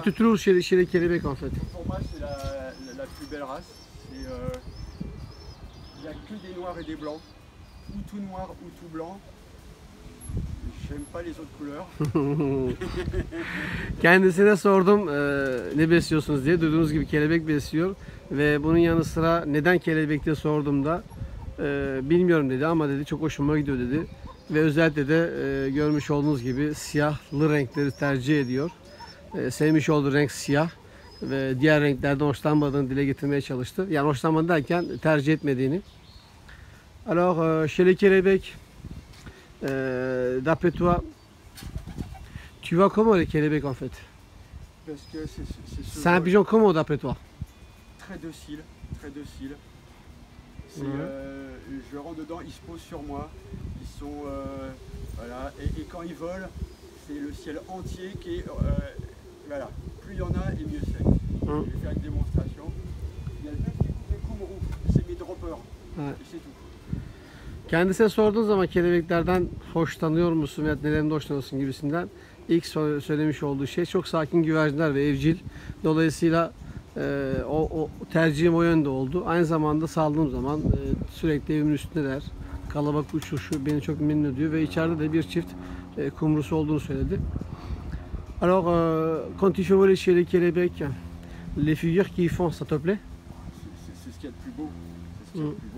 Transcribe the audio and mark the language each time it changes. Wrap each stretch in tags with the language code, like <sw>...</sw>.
<fr>tu trouves chez les kelebek en fait? Pour moi, c'est la plus belle race. Il y a que des noirs et des blancs, ou tout noir ou tout blanc. J'aime pas les autres couleurs.</fr> <tr>Kendisine sordum ne besliyorsunuz diye. Duyduğunuz gibi kelebek besliyor ve bunun yanı sıra neden kelebek diye sordum da bilmiyorum dedi, ama dedi çok hoşuma gidiyor dedi. Ve özellikle de görmüş olduğunuz gibi siyahlı renkleri tercih ediyor. Sevmiş olduğu renk siyah ve diğer renklerden hoşlanmadığını dile getirmeye çalıştı. Yani hoşlanmadığı derken tercih etmediğini.</tr> <fr>Alors, chez les kelebecs, d'après toi, tu vois comment les kelebecs en fait? Parce que c'est un pigeon comment d'après toi? Très docile, très docile. Je rentre dedans, il se pose sur moi. Voilà, et quand ils volent, c'est le ciel entier qui est voilà, plus il y en a et mieux c'est. Je vais faire une démonstration. Il y a le même type de kumru, c'est mes droppers. Ouais. C'est tout.</fr> <tr>Kendisine sorduğun zaman kelebeklerden hoşlanıyor musun veya nelerinde hoşlanıyorsun gibisinden ilk söylemiş olduğu şey, çok sakin güvercinler ve evcil. Dolayısıyla o tercihim o yönde oldu. Aynı zamanda saldığım zaman sürekli evimin üstündeler. Kalabalık uçuşu beni çok memnun ediyor ve içeride de bir çift kumrusu olduğunu söyledi.</tr> <fr>Alors, quand tu voles chez les kelebecs, les figures qu'ils font, ça te plaît? C'est ce qu'il y a de plus beau.</fr>